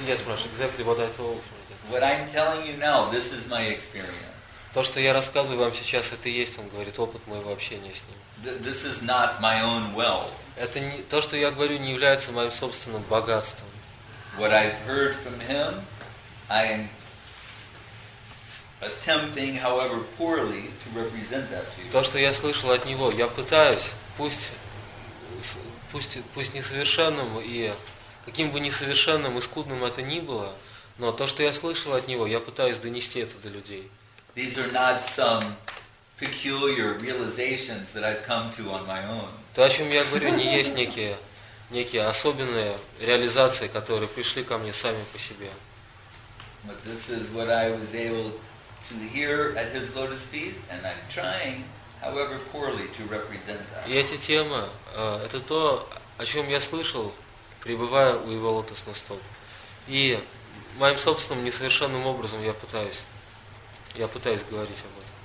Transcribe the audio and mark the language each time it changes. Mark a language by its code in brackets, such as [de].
[en] Yes, Marsh, exactly what I told from that. What I'm telling you now, this is my experience. [ru] То, что я рассказываю вам сейчас, это и есть, он говорит, опыт моего общения с ним. [en] This is not my own wealth. [ru] Это не, то, что я говорю, не является моим собственным богатством. [en] What I've heard from him, I'm attempting, however poorly, to represent that to you. [ru] То, что я слышал от него, я пытаюсь, пусть несовершенным и каким бы несовершенным и скудным это ни было, но то, что я слышал от него, я пытаюсь донести это до людей. [en] These are not some peculiar realizations that I've come to on my own. [ru] То, о чем я говорю, не есть некие особенные реализации, которые пришли ко мне сами по себе. [en] But this is what I was able to hear at his lotus feet, and I'm trying, however poorly, to represent that. [ru] И эти темы, это то, о чем я слышал, пребывая у его лотосных стоп. И моим собственным несовершенным образом я пытаюсь говорить об этом.